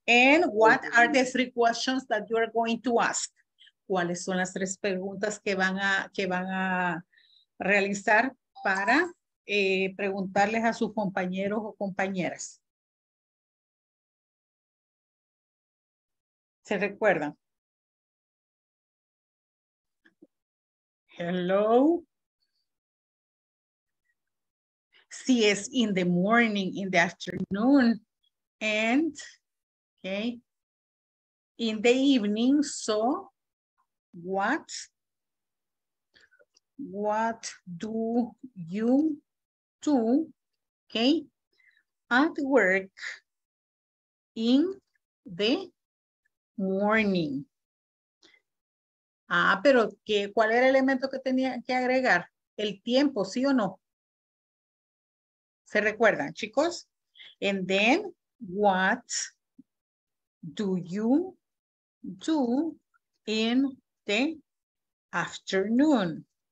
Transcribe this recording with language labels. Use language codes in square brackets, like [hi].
[en] And what are the 3 questions that you are going to ask? [es] ¿Cuáles son las 3 preguntas que van a realizar para preguntarles a sus compañeros o compañeras? ¿Se recuerdan? [en] Hello. [es] Si es [en] in the morning, in the afternoon, and, okay, in the evening, so what do you do, okay, at work in the morning? [es] Ah, pero que, ¿cuál era el elemento que tenía que agregar? El tiempo, ¿sí o no? ¿Se recuerdan, chicos? [en] And then, what do you do in the afternoon?